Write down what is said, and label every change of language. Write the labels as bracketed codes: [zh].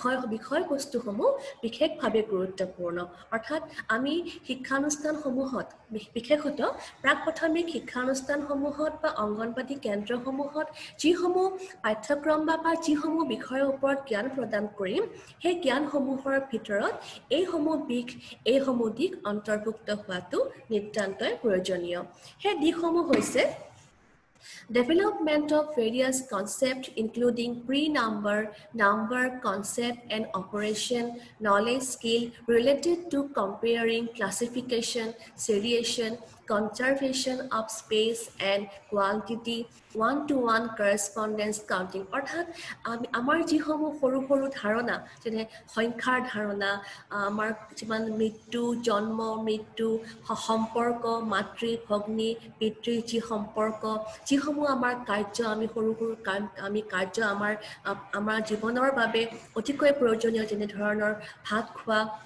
[as] বিষয়বস্তুসমূহ বিশেষভাৱে গুৰুত্বপূৰ্ণ অৰ্থাৎ আমি শিক্ষানুষ্ঠানসমূহত বিশেষত প্ৰাক প্ৰাথমিক শিক্ষানুষ্ঠানসমূহত বা অংগনবাদী কেন্দ্ৰসমূহত যিসমূহ পাঠ্যক্ৰম বা যিসমূহ বিষয়ৰ ওপৰত জ্ঞান প্ৰদান কৰিম সেই জ্ঞানসমূহৰ ভিতৰত এইসমূহ দিশ অন্তৰ্ভুক্ত হোৱাটো নিতান্তই প্ৰয়োজনীয় সেই দিশসমূহ হৈছে [en] Development of various concepts, including pre-number, number, concept, and operation, knowledge skill related to comparing, classification, seriation, conservation of space and quantity, one-to-one correspondence counting. [as] অর্থাৎ আমাৰ যিসমূহ সৰু সৰু ধাৰণা, যেনে সংখ্যাৰ ধাৰণা, আমাৰ কিছুমান মৃত্যু, জন্ম, মৃত্যু, সম্পৰ্ক, মাতৃ, ভগ্নী, পিতৃ, যি সম্পৰ্ক, যিসমূহ আমাৰ কাৰ্য, আমি সৰু সৰু কাম, আমি কাৰ্য আমাৰ আমাৰ জীৱনৰ বাবে অতিকৈ প্ৰয়োজনীয়, যেনেধৰণৰ ভাত খোৱা,